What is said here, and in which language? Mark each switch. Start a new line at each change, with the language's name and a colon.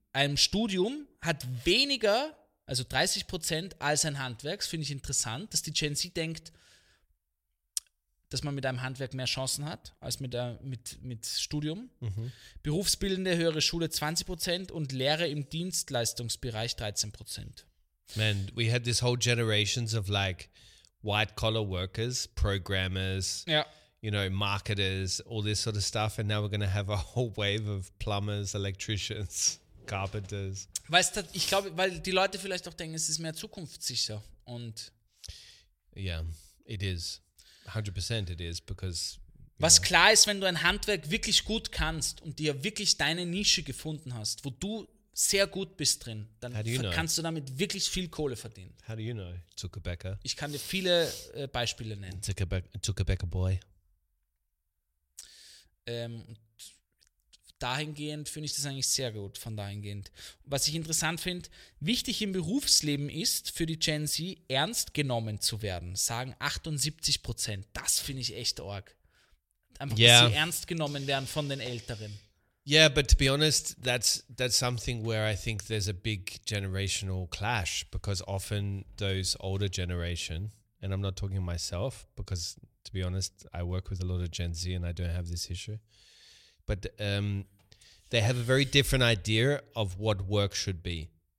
German: Ein Studium hat weniger, also 30%, als ein Handwerk. Finde ich interessant, dass die Gen Z denkt, dass man mit einem Handwerk mehr Chancen hat als mit Studium. Mhm. Berufsbildende höhere Schule 20% und Lehre im Dienstleistungsbereich 13%.
English: Man, we had this whole generations of like white collar workers, programmers,
German: ja,
English: you know, marketers, all this sort of stuff. And now we're going to have a whole wave of plumbers, electricians, carpenters.
German: Weißt du, ich glaube, weil die Leute vielleicht auch denken, es ist mehr zukunftssicher. Und
English: yeah, it is. 100% it is, because... Was know.
German: Klar ist, wenn du ein Handwerk wirklich gut kannst und dir wirklich deine Nische gefunden hast, wo du sehr gut bist drin, dann kannst du damit wirklich viel Kohle verdienen.
English: How do you know, Zuckerbäcker?
German: Ich kann dir viele Beispiele nennen.
English: Zuckerbäcker Boy.
German: Dahingehend finde ich das eigentlich sehr gut, von dahingehend. Was ich interessant finde, wichtig im Berufsleben ist, für die Gen Z ernst genommen zu werden, sagen 78%. Das finde ich echt arg. Einfach, yeah, dass sie ernst genommen werden von den Älteren.
English: Yeah, but to be honest, that's something where I think there's a big generational clash, because often those older generation, and I'm not talking myself, because to be honest, I work with a lot of Gen Z and I don't have this issue. But they have a very different idea of what work should be.